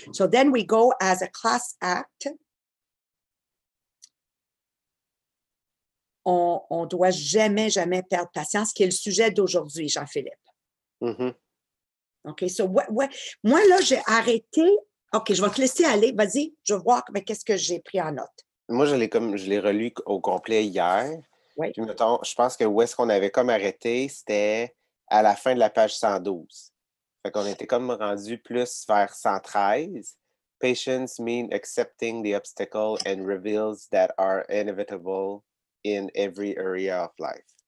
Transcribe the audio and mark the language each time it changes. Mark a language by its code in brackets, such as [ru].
[en] So then we go as a class act. [fr] On doit jamais, jamais perdre patience, qui est le sujet d'aujourd'hui, Jean-Philippe. Mm-hmm. OK, [en] so what, [fr] moi, là, j'ai arrêté. OK, je vais te laisser aller. Vas-y, je vais voir qu'est-ce que j'ai pris en note. Moi, je l'ai relu au complet hier. Oui. Puis, mettons, je pense que où est-ce qu'on avait comme arrêté, c'était à la fin de la page 112. Fait qu'on était comme rendu plus vers 113. [en] Patience means accepting the obstacle and reveals that are inevitable in every area of life.